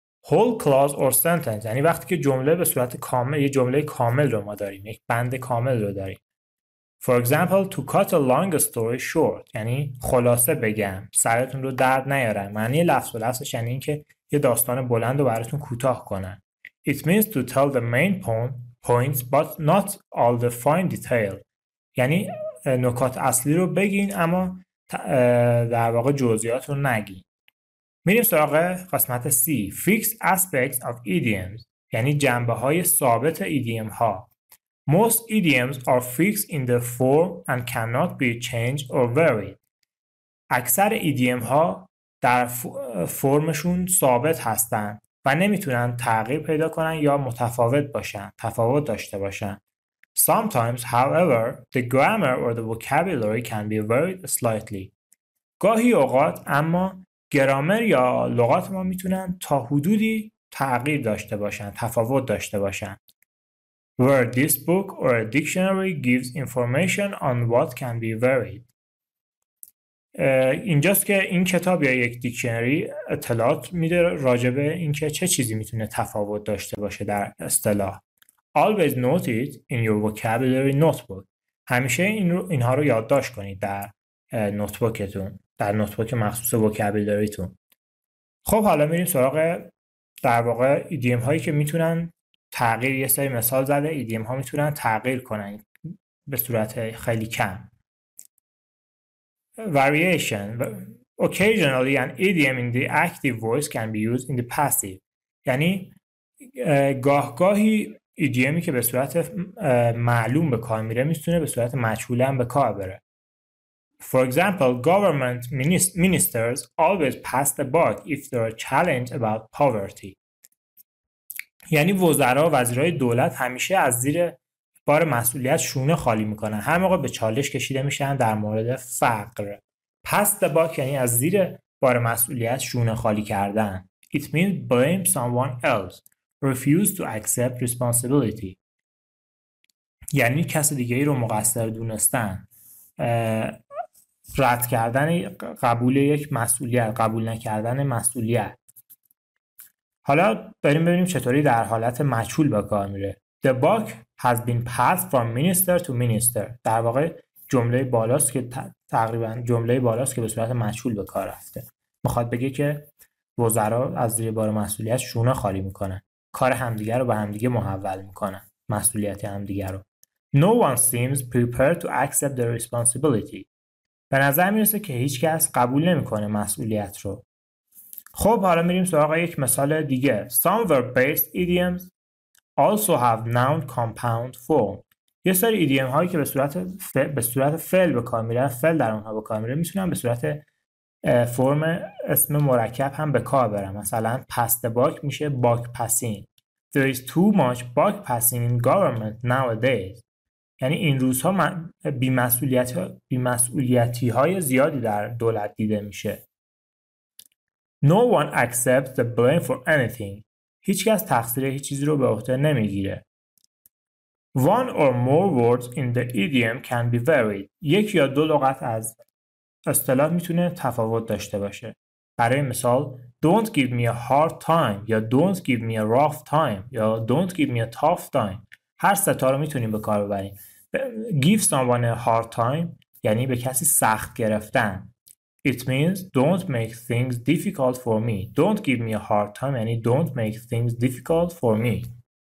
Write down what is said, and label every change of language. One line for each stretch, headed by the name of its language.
English: whole clause or sentence
Persian: یعنی وقتی که جمله به صورت کامل، یه جمله کامل رو ما داریم، یک بند کامل رو داریم.
English: For example, to cut a long story short.
Persian: یعنی خلاصه بگم. سرتون رو درد نیارم. معنی لفظ به لفظش یعنی که یه داستان بلند رو براتون کوتاه کنم.
English: It means to tell the main points but not all the fine detail.
Persian: یعنی نکات اصلی رو بگین اما در واقع جزئیات رو نگین. میریم سراغ قسمت C.
English: Fixed aspects of idioms.
Persian: یعنی جنبه های ثابت ایدیوم ها.
English: Most idioms are fixed in the form and cannot be changed or varied.
Persian: اکثر ایدیوم ها در فرمشون ثابت هستن و نمیتونن تغییر پیدا کنن یا متفاوت باشن، تفاوت داشته باشن.
English: Sometimes, however, the grammar or the vocabulary can be varied slightly.
Persian: گاهی اوقات اما گرامر یا لغات ما میتونن تا حدودی تغییر داشته باشن، تفاوت داشته باشن.
English: Where this book or a dictionary gives information on what can be varied.
Persian: اینجاست که این کتاب یا یک دیکشنری اطلاعات میده راجع به اینکه چه چیزی میتونه تفاوت داشته باشه در اصطلاح.
English: Always note it in your vocabulary notebook.
Persian: همیشه اینها رو یادداشت کنید در نوتبوکتون، در نوتبوک مخصوص وکابولاریتون. خب حالا میریم سراغ در واقع ایدیوم هایی که میتونن تغییر، یه سری مثال زده ایدیوم ها میتونن تغییر کنن به صورت خیلی کم.
English: Variation. Occasionally an idiom in the active voice can be used in the passive.
Persian: یعنی گاه گاهی ایدیومی که به صورت معلوم به کار میره میتونه به صورت مجهول هم به کار بره.
English: For example, government ministers always pass the buck if there are challenges about poverty.
Persian: یعنی وزرا و وزیرای دولت همیشه از زیر بار مسئولیت شونه خالی میکنن. هر موقع به چالش کشیده میشن در مورد فقر.
English: Pass the buck
Persian: یعنی از زیر بار مسئولیت شونه خالی کردن.
English: It means blame someone else. Refuse to accept responsibility.
Persian: یعنی کس دیگه ای رو مقصر دونستن. رد کردن قبول یک مسئولیت، قبول نکردن مسئولیت. حالا بریم ببینیم چطوری در حالت مجهول با کار میره.
English: The buck has been passed from minister to minister.
Persian: در واقع جمله بالاست که تقریبا جمله بالاست که به صورت مجهول به کار رفته. میخواد بگه که وزرا از زیر بار مسئولیت شونه خالی میکنن. کار همدیگر رو به همدیگه محول میکنن. مسئولیت همدیگر رو.
English: No one seems prepared to accept the responsibility.
Persian: به نظر میرسه که هیچ کس قبول نمیکنه مسئولیت رو. خب حالا میریم سراغ یک مثال دیگه.
English: Some verb-based idioms also have noun compound form.
Persian: یه سری ایدیوم هایی که به صورت فعل به کار میره، فعل در اونها به کار میره، میتونن به صورت فرم اسم مرکب هم به کار برن. مثلا
English: pass the buck
Persian: میشه
English: buck passing. There is too much buck passing in government nowadays.
Persian: یعنی این روزها بی‌مسئولیتی های زیادی در دولت دیده میشه.
English: No one accepts the blame for anything.
Persian: هیچ کس تقصیر هیچ چیزی رو به عهده نمیگیره.
English: One or more words in the idiom can be varied.
Persian: یک یا دو لغت از اصطلاح میتونه تفاوت داشته باشه. برای مثال
English: don't give me a hard time یا don't give me a rough time یا don't give me a tough time.
Persian: هر ستا رو میتونیم به کار ببریم.
English: Give someone a hard time
Persian: یعنی به کسی سخت گرفتن.
English: It means don't make things difficult for me. Don't give me a hard time یعنی don't make things difficult for me.